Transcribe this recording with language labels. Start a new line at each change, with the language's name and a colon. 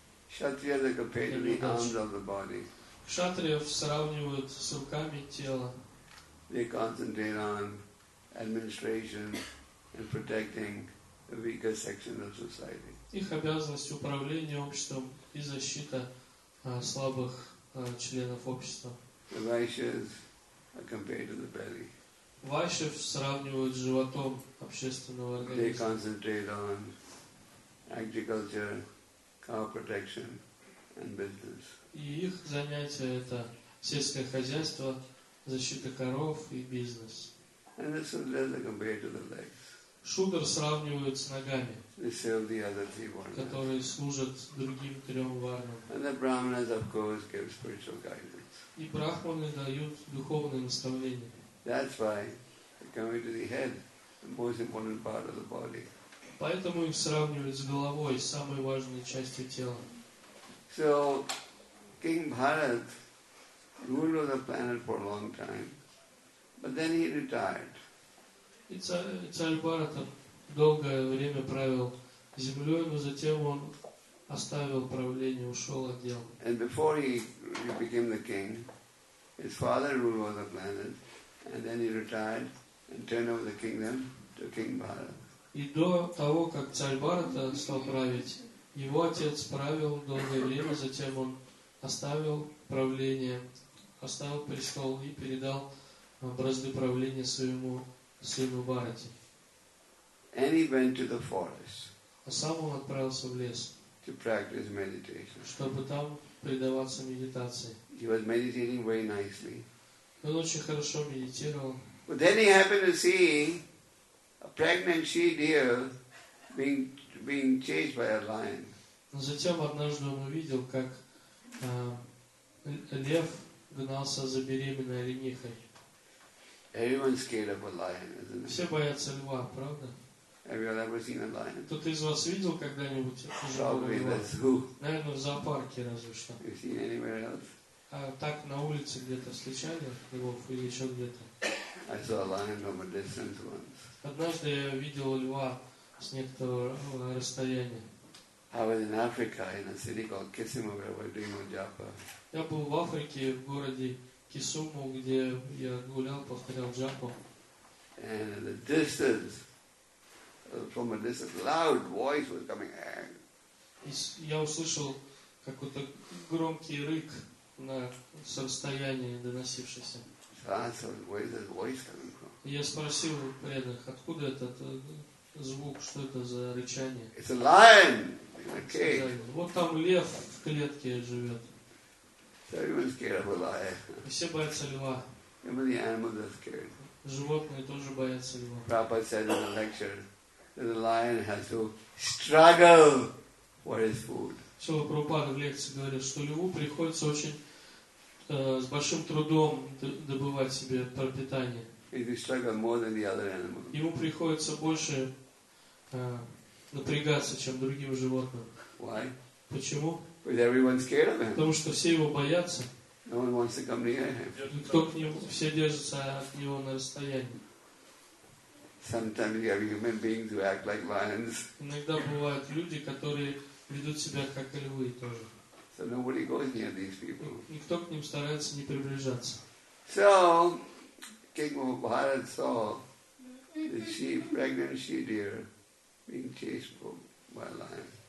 English: Kshatriyas are compared to the arms of the body.
Russian: Кшатриев сравнивают с руками тела.
English: They concentrate on administration and protecting the weaker sections of society.
Russian: Их обязанность управления обществом и защита слабых членов общества.
English: The vaishyas are compared to the belly.
Russian: Вайшев сравнивают с животом общественного организма.
English: They concentrate on agriculture, cow protection, and business.
Russian: И их занятие это сельское хозяйство, защита коров и бизнес.
English: And the sudras are compared to the legs.
Russian: Шудр сравнивают с ногами.
English: They serve the other 3 varnas.
Russian: Которые служат другим 3 варнам.
English: And the brahmanas, of course, give spiritual guidance.
Russian: И брахманы дают духовное наставление.
English: That's why coming to the head, the most important part of the body.
Russian: Поэтому их сравнивают с головой, самой важной частью тела.
English: So King Bharat ruler of the planet for a long time, but then he retired.
Russian: Царь Бхарата долгое время правил землей, но затем он оставил правление, ушел от дел.
English: And before he became the king, his father ruled over the planet, and then he retired and turned over the kingdom to King Bharat.
Russian: И до того, как царь Бхарата стал править, его отец правил долгое время, затем он оставил правление, оставил престол и передал бразды правления своему сыну Бхарате.
English: And he went to the forest.
Russian: А сам он отправился в лес.
English: To practice meditation.
Russian: Чтобы там предаваться медитации.
English: He was meditating very nicely.
Russian: Он очень хорошо медитировал.
English: But then he happened to see a pregnant she deer being chased by a lion.
Russian: Затем однажды он увидел, как лев гнался за беременной оленихой.
English: Everyone's scared of a lion, isn't it?
Russian: Все боятся льва, правда?
English: Have you ever seen a lion?
Russian: Кто-то из вас видел когда-нибудь?
English: Probably in the zoo.
Russian: Наверное, в зоопарке разве что.
English: You seen anywhere else?
Russian: А так на улице где-то встречали его или еще где-то?
English: I saw a lion from a distance once.
Russian: Однажды я видел льва с некоторого расстояния.
English: I was in Africa in a city called Kisumu where we're doing Japa.
Russian: Я был в Африке в городе Кисуму, где я гулял, повторял джапу.
English: And in the distance. From a distance, loud voice was coming.
Russian: Я услышал какой-то громкий рык на с расстояния доносившийся.
English: So where is that voice coming from?
Russian: Я спросил преданных, откуда этот звук, что это за рычание?
English: It's a lion in a cage.
Russian: Вот там лев в клетке живет.
English: Everyone's scared of a lion.
Russian: Все боятся льва.
English: Even the animals are scared.
Russian: Животные тоже боятся льва.
English: Prabhupada said in a lecture. The lion has to struggle for his food.
Russian: Шрила Прабхупада в лекции говорит, что льву приходится очень с большим трудом добывать себе пропитание.
English: He has to struggle more than the other animals.
Russian: Ему приходится больше напрягаться, чем другим животным.
English: Why?
Russian: Почему?
English: Because everyone's scared of him.
Russian: Потому что все его боятся.
English: No one wants to come near him.
Russian: Кто к нему? Все держатся от него на расстоянии.
English: Sometimes you have human beings who act like lions.
Russian: Иногда бывают люди, которые ведут себя как львы тоже.
English: So nobody goes near these people.
Russian: Никто к ним старается не приближаться.
English: So King Bharat saw the sheep, pregnant she deer, being chased by a lion.